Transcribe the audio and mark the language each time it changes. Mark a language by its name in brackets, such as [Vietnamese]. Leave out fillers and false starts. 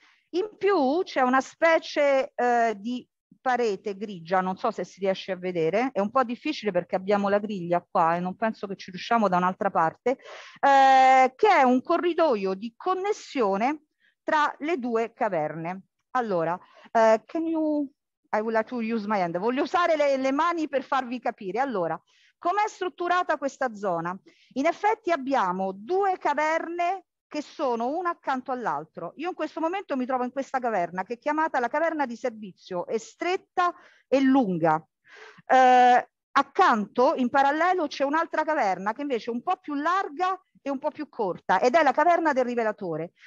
[Italian] In più c'è una specie di parete grigia, non so se si riesce a vedere, è un po' difficile perché abbiamo la griglia qua e non penso che ci riusciamo da un'altra parte, che è un corridoio di connessione tra le due caverne. [English] Allora, I would like to use my hand. [Italian] Voglio usare le mani per farvi capire. Allora, com'è strutturata questa zona? In effetti abbiamo due caverne che sono una accanto all'altro. Io in questo momento mi trovo in questa caverna, che è chiamata la caverna di servizio, è stretta e lunga. Accanto, in parallelo, c'è un'altra caverna, che invece è un po' più larga e un po' più corta, ed è la caverna del rivelatore.